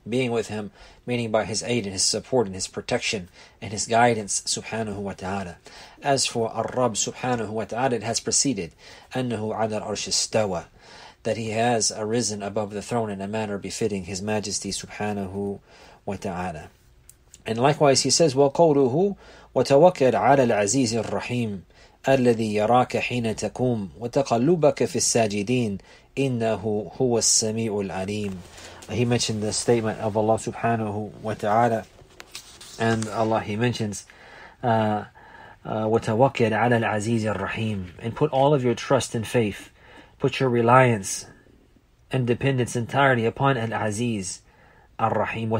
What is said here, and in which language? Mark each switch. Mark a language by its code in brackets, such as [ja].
[en] Being with him, meaning by His aid and His support and His protection and His guidance, subhanahu wa ta'ala. As for Ar-Rabb subhanahu wa ta'ala, it has preceded, [ar] أَنَّهُ عَلَى الْأَرْشِ اسْتَوَى, [en] that He has arisen above the throne in a manner befitting His Majesty subhanahu wa ta'ala. And likewise He says, [ar] وَقَوْلُهُ وَتَوَكَّلْ عَلَى الْعَزِيزِ الرَّحِيمِ الَّذِي يَرَاكَ حِينَ تَكُومُ وَتَقَلُّبَكَ فِي السَّاجِدِينَ إِنَّهُ هُوَ السَّمِيعُ الْعَلِيمُ. [en] He mentioned the statement of Allah subhanahu wa ta'ala, and Allah, He mentions, [ar] وَتَوَكَّلْ عَلَى الْعَزِيزِ الرَّحِيمِ, [en] and put all of your trust and faith, put your reliance and dependence entirely upon Al-Aziz Ar-Rahim.